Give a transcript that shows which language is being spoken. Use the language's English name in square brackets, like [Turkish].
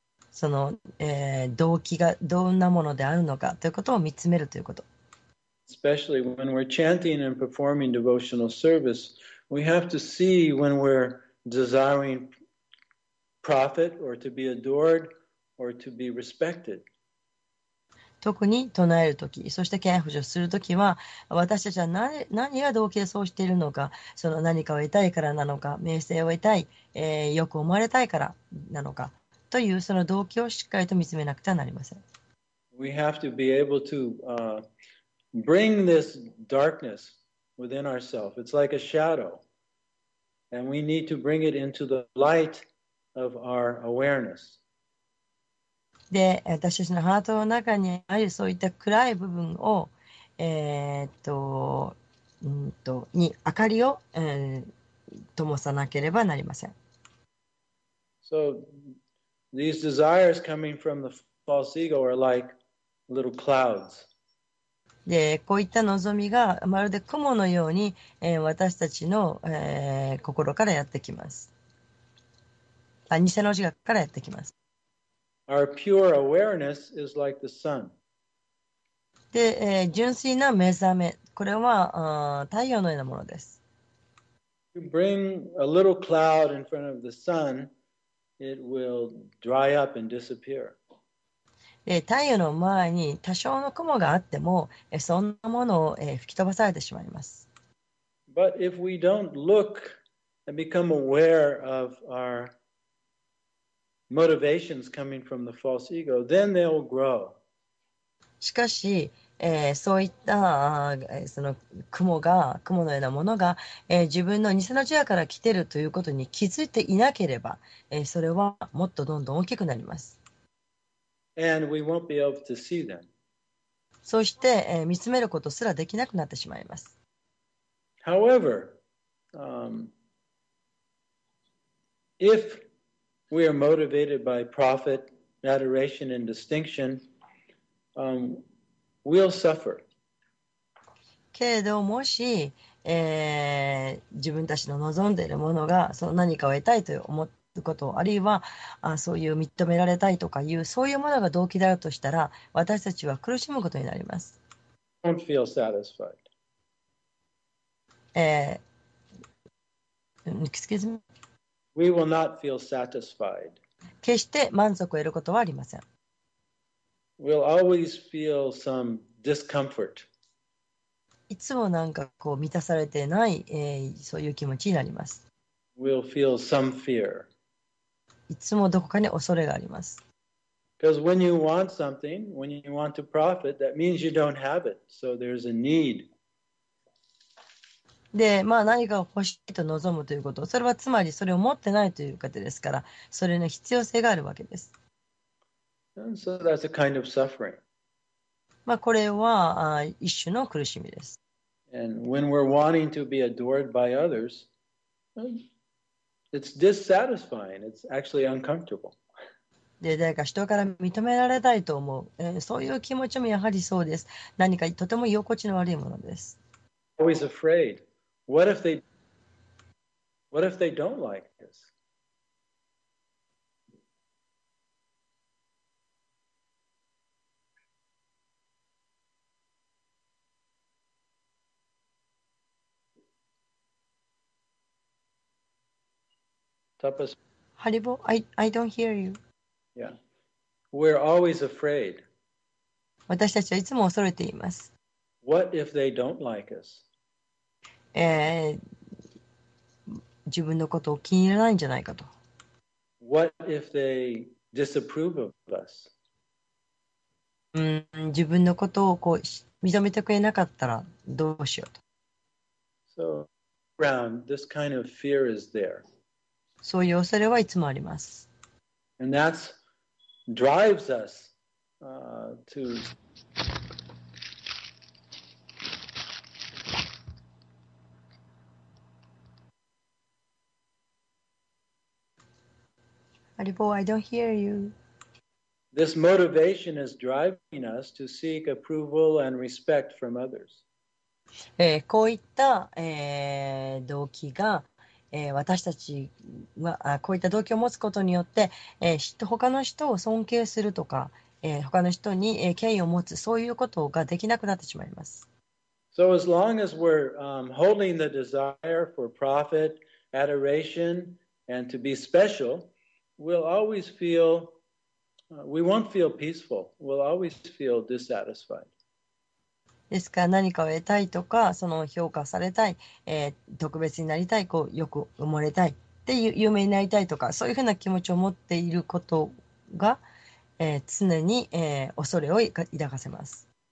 [Japanese] その、動機がどんなものであるのかということを見つめるということ。 [English] Especially when we're chanting and performing devotional service, we have to see when we're desiring profit or to be adored or to be respected. [Japanese] 特に唱えるとき、そして敬愛奉仕するときは、私たちは 何が動機でそうしているのか、その何かを得たいからなのか、名声を得たい、よく思われたいからなのか、というその動機をしっかりと見つめなくてはなりません。 [English] We have to be able to bring this darkness within ourselves. It's like a shadow. And we need to bring it into the light of our awareness. [Japanese] で、私たちのハートの中にあるそういった暗い部分を、に明かりを、灯さなければなりません。 [English] So, these desires coming from the false ego are like little clouds. [Japanese] で、こういった望みがまるで雲のように、私たちの、心からやってきます。偽の自覚からやってきます。 [English] Our pure awareness is like the sun. [Japanese] で、純粋な目覚め、これは太陽のようなものです。 [English] You bring a little cloud in front of the sun, it will dry up and disappear. [Japanese] 太陽の前に多少の雲があっても、そんなものを吹き飛ばされてしまいます。 [English] But if we don't look and become aware of our motivations coming from the false ego, then they will grow. [Japanese] しかし、そういったその雲のようなものが、自分の偽の自我から来ているということに気づいていなければ、それはもっとどんどん大きくなります。 [English] And we won't be able to see them. [Japanese] そして、見つめることすらできなくなってしまいます。 [English] However, if we are motivated by profit, adoration, and distinction, we'll suffer. [Japanese] けれどもし、自分たちの望んでいるものがその何かを得たいと思うこと、あるいはそういう認められたいとかいうそういうものが動機であるとしたら、私たちは苦しむことになります。 [English] Don't feel satisfied. Excuse me. We will not feel satisfied. [Japanese] 決して満足を得ることはありません。 [English] We'll always feel some discomfort. [Japanese] いつもなんかこう満たされてない、そういう気持ちになります。 [English] We'll feel some fear. [Japanese] いつもどこかに恐れがあります。 [English] Because when you want something, when you want to profit, that means you don't have it. So there's a need. [Japanese] で、まあ、何かを欲しいと望むということ、それはつまりそれを持ってないという方ですから、それの必要性があるわけです。 [English] So that's a kind of suffering. [Japanese] まあ、これは一種の苦しみです。 [English] And when we're wanting to be adored by others, it's dissatisfying. It's actually uncomfortable. [Japanese] で、誰か人から認められたいと思う、そういう気持ちもやはりそうです。何かとても居心地の悪いものです。 [English] Always afraid. What if they don't like this? Tapas. Haribo, I don't hear you. Yeah. We're always afraid. [Japanese] 私たちはいつも恐れています。 [English] What if they don't like us? [Japanese] 自分のことを気に入らないんじゃないかと。 [English] What if they disapprove of us? [Japanese] 自分のことをこう認めてくれなかったらどうしようと。 [English] So, around, this kind of fear is there. [Japanese] そういう恐れはいつもあります。 [English] And that drives us, to... Haribo, I don't hear you. This motivation is driving us to seek approval and respect from others. [Japanese] こういった、動機が、私たちはこういった動機を持つことによって、他の人を尊敬するとか、他の人に、敬意を持つ、そういうことができなくなってしまいます。 [English] So as long as we're, holding the desire for profit, adoration, and to be special,We'll always feel, we won't feel peaceful. We'll always feel dissatisfied. [Japanese] ですから何かを得たいとか、その評価されたい、特別になりたい、こうよく思われたい、で有名になりたいとか、そういうふうな気持ちを持っていることが、常に、恐れを抱かせます。